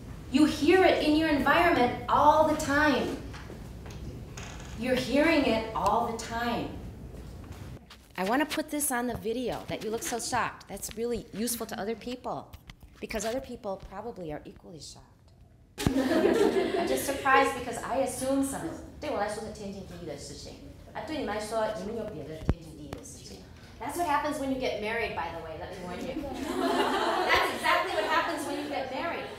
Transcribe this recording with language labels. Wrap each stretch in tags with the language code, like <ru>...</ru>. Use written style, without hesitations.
<en>You hear it in your environment all the time. You're hearing it all the time. I want to put this on the video that you look so shocked. That's really useful to other people because other people probably are equally shocked. I'm just surprised because I assume some.</en> <zh>对我来说是天经地义的事情。啊，对你们来说，你们有别的天经地义的事情。</zh> <en>That's what happens when you get married, by the way. Let me warn you. That's exactly what happens when you get married.</en>